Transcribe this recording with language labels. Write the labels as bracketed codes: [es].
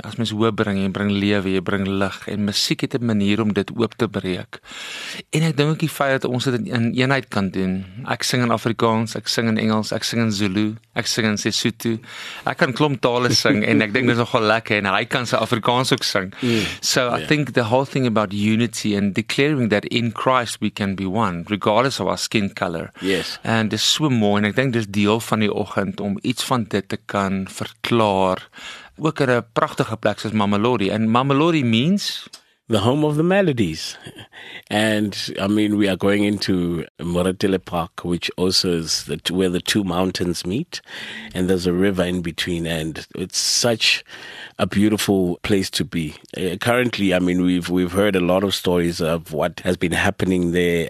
[af] As mens hoop bring, jy bring lewe, jy bring lig en musiek het 'n manier om dit oop te breek. En ek dink ook die feit dat ons dit in eenheid kan doen. Ek sing in Afrikaans, ek sing in Engels, ek sing in Zulu, ek sing in Sesotho. Ek kan klomp tale sing en ek dink dit is nogal lekker en hy kan sy Afrikaans ook sing. [en] So I think the whole thing about unity and declaring that in Christ we can be one, regardless of our skin color. [af] En dis so mooi en ek dink dis deel van die oggend om iets van dit te kan verklaar. Ook in 'n pragtige plek soos Mamelodi. [en] En Mamelodi means the home of the melodies. And I mean, we are going into Moretele Park, which also is where the two mountains meet. And there's a river in between. And it's such a beautiful place to be. Currently, I mean, we've heard a lot of stories of what has been happening there.